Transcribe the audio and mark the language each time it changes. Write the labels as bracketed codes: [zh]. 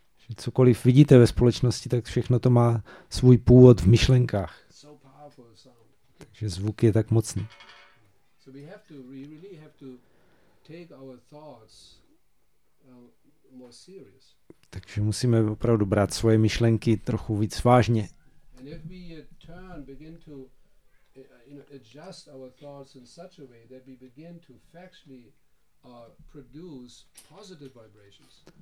[cs] Že cokoliv vidíte ve společnosti, tak všechno to má svůj původ v myšlenkách. [en] So powerful the sound. [cs] Takže zvuk je tak mocný. [en] So we have to, we really have to take our thoughts more serious. [cs] Takže musíme opravdu brát svoje myšlenky trochu víc vážně. [en] And if we turn, begin to adjust our thoughts in such a way that we begin to factually produce positive vibrations.